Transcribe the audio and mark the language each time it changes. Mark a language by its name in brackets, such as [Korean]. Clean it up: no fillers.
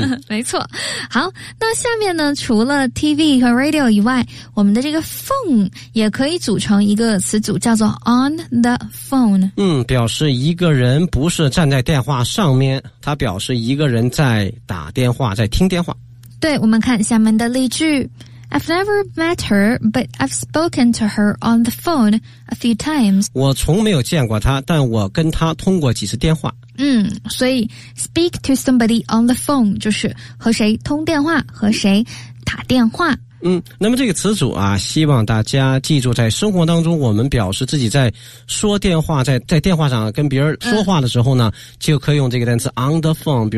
[Chinese] 没错。好，那下面呢，除了 TV 和 radio 以外，我们的这个 phone 也可以组成一个词组，叫做 on the phone。表示一个人不是站在电话上面，它表示一个人在打电话，在听电话。对，我们看下面的例句。 [English] I've never met her, but I've spoken to her on the phone a few times. [Chinese] 我从没有见过她，但我跟她通过几次电话。所以 [English] speak to somebody on the phone [Chinese] 就是和谁通电话，和谁打电话。那么这个词组啊，希望大家记住，在生活当中我们表示自己在说电话，在电话上跟别人说话的时候呢，就可以用这个单词 on the phone。